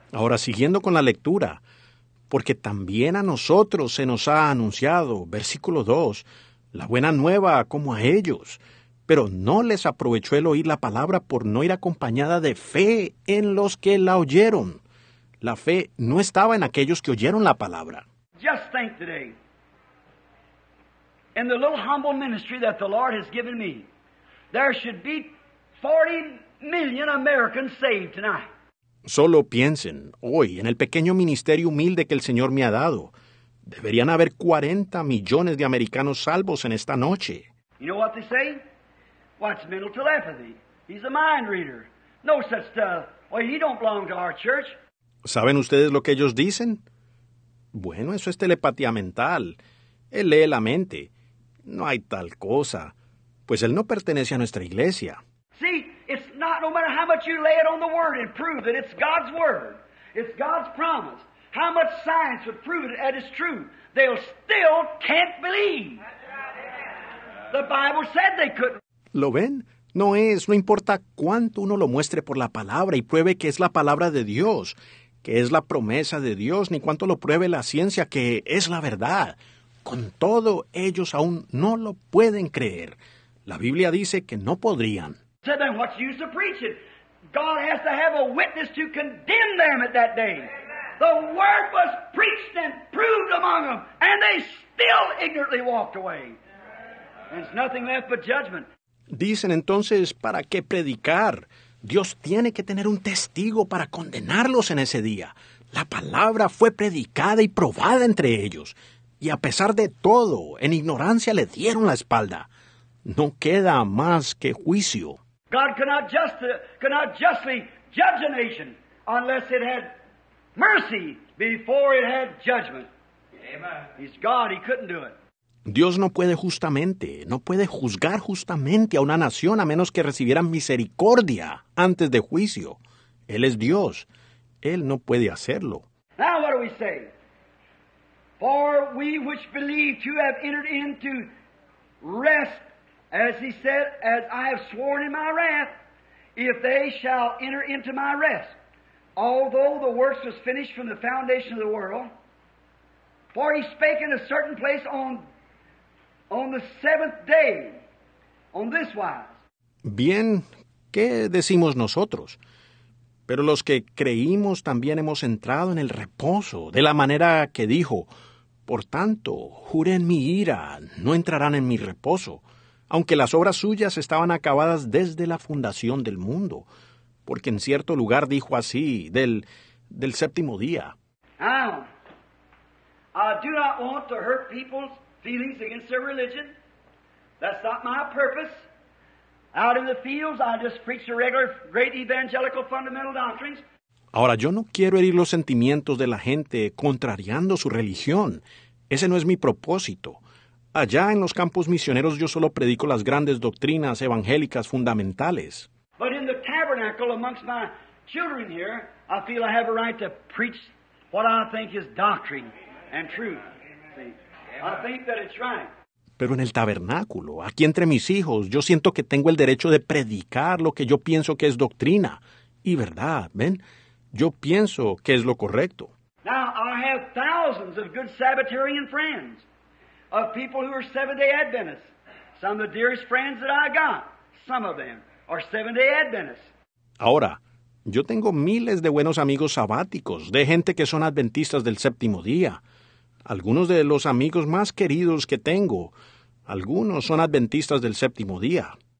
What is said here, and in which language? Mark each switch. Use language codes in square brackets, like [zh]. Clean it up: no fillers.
[es] Ahora, siguiendo con la lectura, porque también a nosotros se nos ha anunciado, versículo 2, la buena nueva como a ellos, pero no les aprovechó el oír la palabra por no ir acompañada de fe en los que la oyeron. La fe no estaba en aquellos que oyeron la palabra. [en] Just think today, in the little humble ministry that the Lord has given me, there should be 40 million Americans saved tonight. [es] Solo piensen, hoy, en el pequeño ministerio humilde que el Señor me ha dado. Deberían haber 40 millones de americanos salvos en esta noche. [en] You know what they say? What's mental telepathy? He's a mind reader. No such stuff. Well, he don't belong to our church. [es] ¿Saben ustedes lo que ellos dicen? Bueno, eso es telepatía mental. Él lee la mente. No hay tal cosa. Pues él no pertenece a nuestra iglesia. [en] See, it's not no matter how much you lay it on the word and prove that it's God's word, it's God's promise, how much science would prove it that it's true, they'll still can't believe. The Bible said they couldn't. [es] ¿Lo ven? No es, no importa cuánto uno lo muestre por la palabra y pruebe que es la palabra de Dios, que es la promesa de Dios, ni cuánto lo pruebe la ciencia, que es la verdad. Con todo, ellos aún no lo pueden creer. La Biblia dice que no podrían. [en] So then what's the use of preaching? God has to have a witness to condemn them at that day. The word was preached and proved among them, and they still ignorantly walked away. There's nothing left but judgment. [es] Dicen entonces, ¿para qué predicar? Dios tiene que tener un testigo para condenarlos en ese día. La palabra fue predicada y probada entre ellos, y a pesar de todo, en ignorancia le dieron la espalda. No queda más que juicio. [en] God cannot justly judge a nation unless it had mercy before it had judgment. Amen. He's God, he couldn't do it. [es] Dios no puede justamente, no puede juzgar justamente a una nación a menos que recibiera misericordia antes de juicio. Él es Dios. Él no puede hacerlo. [en] Now what do we say? For we which believe to have entered into rest, as he said, as I have sworn in my wrath, if they shall enter into my rest, although the works was finished from the foundation of the world, for he spake in a certain place on the seventh day, on this wise. [es] Bien, ¿qué decimos nosotros? Pero los que creímos también hemos entrado en el reposo, de la manera que dijo, por tanto, juré en mi ira, no entrarán en mi reposo, aunque las obras suyas estaban acabadas desde la fundación del mundo, porque en cierto lugar dijo así, del séptimo día. [en] Now, I do not want to hurt people's feelings against their religion. That's not my purpose. Out in the fields, I just preach the regular great evangelical fundamental doctrines. [es] Ahora, yo no quiero herir los sentimientos de la gente contrariando su religión. Ese no es mi propósito. Allá en los campos misioneros, yo solo predico las grandes doctrinas evangélicas fundamentales. [en] But in the tabernacle amongst my children here, I feel I have a right to preach what I think is doctrine and truth. See, I think that it's right. [es] Pero en el tabernáculo, aquí entre mis hijos, yo siento que tengo el derecho de predicar lo que yo pienso que es doctrina y verdad, ¿ven? Yo pienso que es lo correcto. [en] Now, I have thousands of good Sabbatarian friends, of people who are Seventh-day Adventists. Some of the dearest friends that I got, some of them, are Seventh-day Adventists. [es] Ahora, yo tengo miles de buenos amigos sabáticos, de gente que son adventistas del séptimo día. Algunos de los amigos más queridos que tengo, algunos son adventistas del séptimo día.